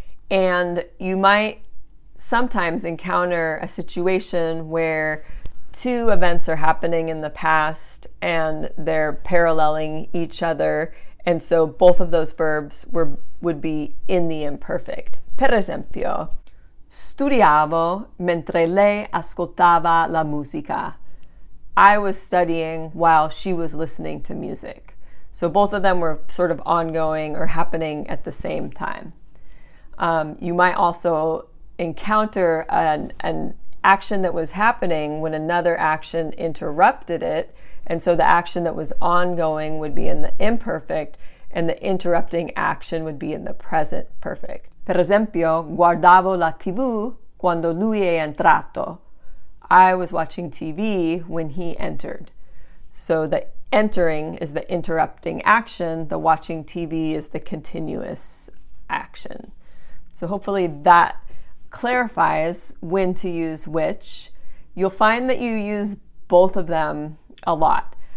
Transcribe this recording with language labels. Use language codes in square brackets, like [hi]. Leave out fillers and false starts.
[en] And you might sometimes encounter a situation where two events are happening in the past and they're paralleling each other. And so both of those verbs would be in the imperfect. [it] Per esempio, studiavo mentre lei ascoltava la musica. [en] I was studying while she was listening to music. So both of them were sort of ongoing or happening at the same time. You might also encounter an action that was happening when another action interrupted it. And so the action that was ongoing would be in the imperfect and the interrupting action would be in the present perfect. [it] Per esempio, guardavo la TV quando lui è entrato. [en] I was watching TV when he entered. So the entering is the interrupting action, the watching TV is the continuous action. So hopefully that clarifies when to use which. You'll find that you use both of them a lot.